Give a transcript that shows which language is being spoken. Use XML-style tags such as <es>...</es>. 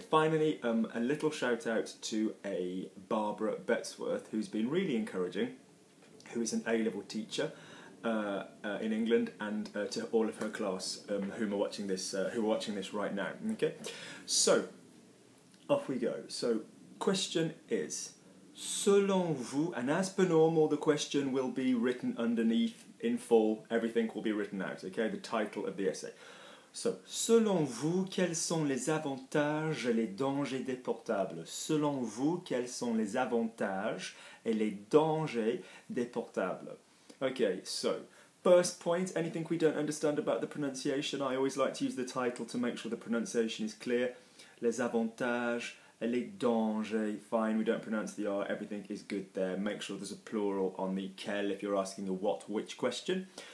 <en>Finally, a little shout out to a Barbara Bettsworth, who's been really encouraging, who is an A-level teacher in England, and to all of her class who are watching this right now. Okay, so off we go. So question is,</en> <fr>selon vous,</fr> <en>and as per normal, the question will be written underneath in full. Everything will be written out. Okay, the title of the essay.</en> <fr>So selon vous, quels sont les avantages et les dangers des portables? Selon vous, quels sont les avantages et les dangers des portables?</fr> <en>Okay, so, first point, anything we don't understand about the pronunciation, I always like to use the title to make sure the pronunciation is clear.</en> <fr>Les avantages, les dangers,</fr> <en>fine, we don't pronounce the R, everything is good there. Make sure there's a plural on the quel if you're asking a what, which question.</en>